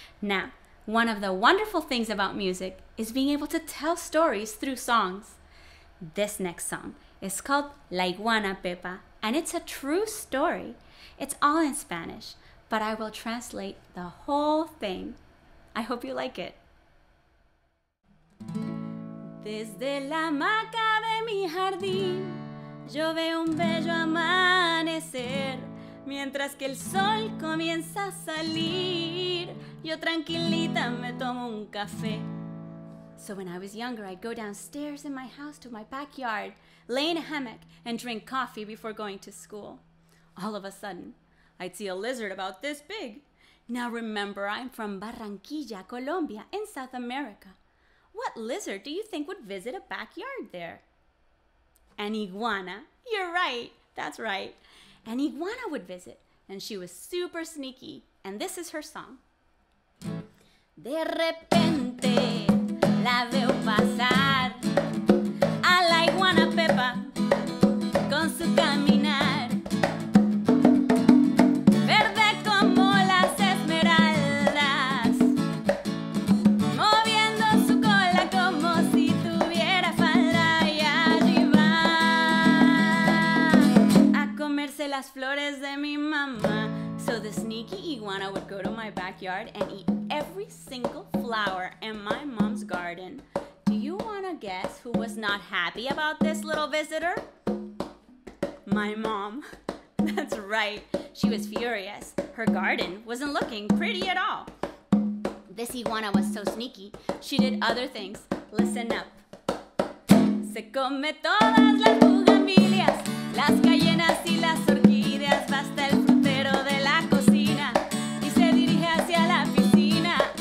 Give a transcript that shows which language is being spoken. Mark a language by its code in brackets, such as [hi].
[en] Now, one of the wonderful things about music is being able to tell stories through songs. This next song is called La Iguana Pepa, and it's a true story. It's all in Spanish, but I will translate the whole thing. I hope you like it. [es] Desde la hamaca de mi jardín, yo veo un bello amanecer. Mientras que el sol comienza a salir, yo tranquilita me tomo un café. [en] So when I was younger, I'd go downstairs in my house to my backyard, lay in a hammock, and drink coffee before going to school. All of a sudden, I'd see a lizard about this big. Now remember, I'm from Barranquilla, Colombia, in South America. What lizard do you think would visit a backyard there? An iguana. You're right. That's right. An iguana would visit, and she was super sneaky. And this is her song. [es] De repente la veo pasar a la iguana Pepa con su caminar. Verde como las esmeraldas, moviendo su cola como si tuviera falda, y allí va a comerse las flores de mi mamá. [en] So the sneaky iguana would go to my backyard and eat every single flower in my mom's garden. Do you want to guess who was not happy about this little visitor? My mom. That's right. She was furious. Her garden wasn't looking pretty at all. This iguana was so sneaky, she did other things. Listen up. [es] Se come todas las bugambilias, las gallinas y las orquídeas, basta el frutero de la cocina y se dirige hacia la piscina.